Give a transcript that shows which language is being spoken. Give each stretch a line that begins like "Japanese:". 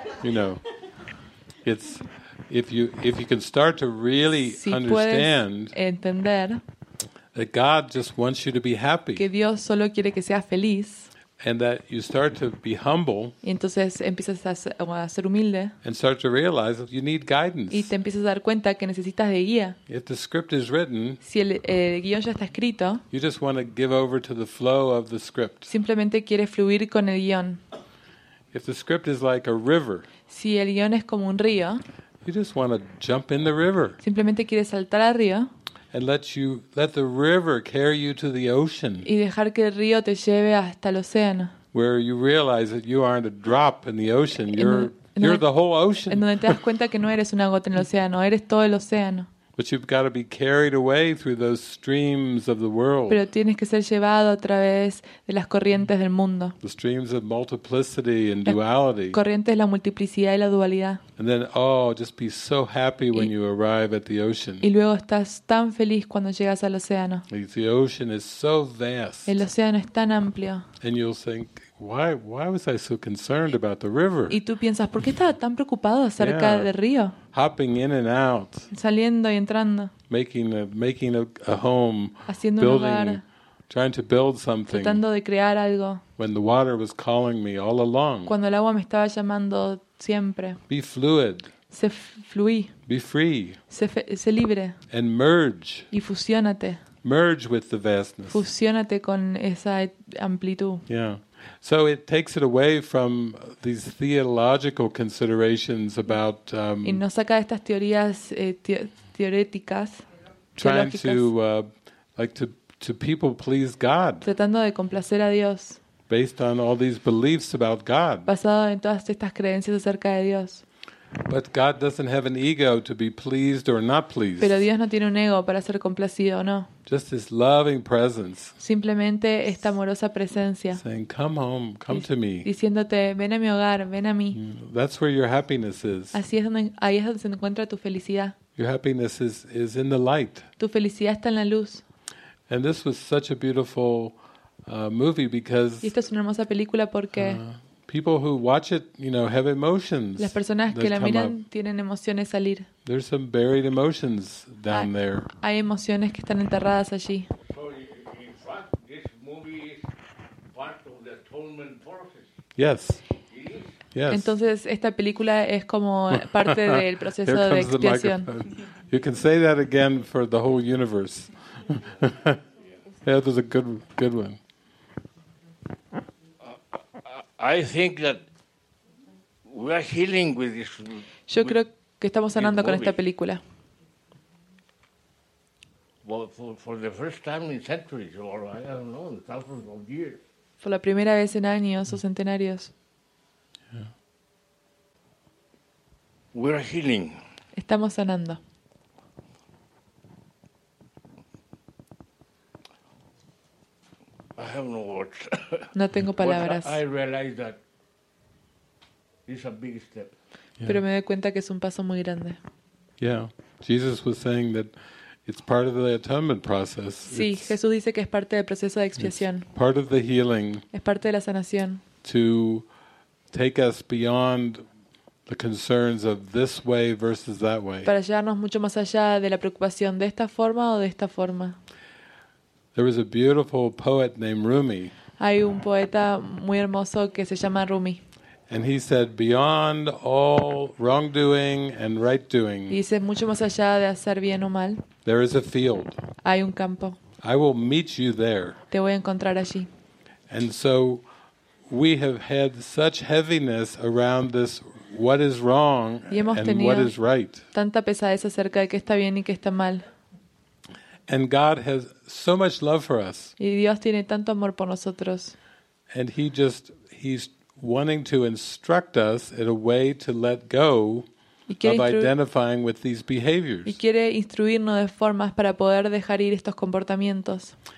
English: You know, it's if you can start to really
Spanish: si
English: understand.
Spanish: Entender.
English: That God just wants you to be happy.
Spanish: Que Dios solo quiere que seas feliz.
English: And that you start to be humble.
Spanish: Y entonces empiezas a ser humilde.
English: And start to realize that you need guidance.
Spanish: Y te empiezas a dar cuenta que necesitas de guía.
English: If the script is written,
Spanish: si el guion ya está escrito,
English: you just want to give over to the flow of the script.
Spanish: Simplemente quieres fluir con el guion.
English: If the script is like a river,
Spanish: si el guion es como un río,
English: you just want to jump in the river.
Spanish: Simplemente quieres saltar al río.
English: And let the river carry you to the ocean.
Spanish: Y dejar que el río te lleve hasta el océano.
English: Where you realize that you aren't a drop in the ocean. You're the whole ocean.
Spanish: En donde te das cuenta que no eres una gota en el océano, eres todo el océano.
English: But you've got to be carried away through those streams of the world.
Spanish: Pero tienes que ser llevado a través de las corrientes del mundo.
English: The streams of multiplicity and duality.
Spanish: Corrientes de la multiplicidad y la dualidad.
English: And then, oh, just be so happy when you arrive at the ocean.
Spanish: Y luego estás tan feliz cuando llegas al océano.
English: The ocean is so vast.
Spanish: El océano es tan amplio.
English: And you'll think, why was I so concerned about the river?
Spanish: Y tú piensas, ¿por qué estaba tan preocupado acerca del río?
English: Hopping in and out,
Spanish: saliendo y entrando,
English: making a home,
Spanish: haciendo un hogar,
English: trying to build something,
Spanish: tratando de crear algo.
English: When the water was calling me all along,
Spanish: cuando el agua me estaba llamando siempre.
English: Be fluid,
Spanish: sé fluí.
English: Be free,
Spanish: sé libre.
English: And merge,
Spanish: y fusiónate.
English: Merge with the vastness,
Spanish: fusiónate con esa amplitud.
English: Yeah. So it takes it away from these theological considerations about
Spanish: y nos saca de estas teorías teoréticas,
English: trying to people please God,
Spanish: tratando de complacer a Dios,
English: based on all these beliefs about God,
Spanish: basado en todas estas creencias acerca de Dios.
English: But God doesn't have an ego to be pleased or not pleased.
Spanish: Pero Dios no tiene un ego para ser complacido o no.
English: Just His loving presence.
Spanish: Simplemente esta amorosa presencia.
English: Saying, "Come home, come to me."
Spanish: Diciéndote, ven a mi hogar, ven a mí.
English: That's where your happiness is.
Spanish: Así es donde ahí es donde se encuentra tu felicidad.
English: Your happiness is in the light.
Spanish: Tu felicidad está en la luz.
English: And this was such a beautiful movie because.
Spanish: Y esta es una hermosa película porque.
English: People who watch it, you know, have emotions.
Spanish: Las personas que la miran tienen emociones salir.
English: There's some buried emotions down there.
Spanish: Hay emociones que están enterradas allí.
English: Yes. Yes.
Spanish: Entonces esta película es como parte del proceso de expiación.
English: You can say that again for the whole universe. Yeah, that was a good one. I think that we are healing with this.
Spanish: Yo creo que estamos sanando con esta película.
English: Well, for the first time in centuries, or I don't know, in thousands of years.
Spanish: Por la primera vez en años o centenarios.
English: Yeah. We are healing.
Spanish: Estamos sanando.
English: I have no words.
Spanish: No tengo palabras.
English: But I realize that it's a big step.
Spanish: Pero me doy cuenta que es un paso muy grande.
English: Yeah. Jesus was saying that it's part of the atonement process.
Spanish: Sí, Jesús dice que es parte del proceso de expiación.
English: Part of the healing.
Spanish: Es parte de la sanación.
English: To take us beyond the concerns of this way versus that way.
Spanish: Para llevarnos mucho más allá de la preocupación de esta forma o de esta forma.
English: There was a beautiful poet named Rumi.
Spanish: Hay un poeta muy hermoso que se llama Rumi.
English: And he said, "Beyond all wrongdoing and right doing."
Spanish: Dice mucho más allá de hacer bien o mal.
English: There is a field.
Spanish: Hay un campo.
English: I will meet you there.
Spanish: Te voy a encontrar allí.
English: And so, we have had such heaviness around this: what is wrong and what is right.
Spanish: Tanta pesadez acerca de qué está bien y qué está mal.
English: And God has so much love for us.
Spanish: Y Dios tiene tanto amor por nosotros.
English: And he's wanting to instruct us in a way to let go of identifying with these behaviors.
Spanish: Y quiere instruirnos de formas para poder dejar ir estos comportamientos.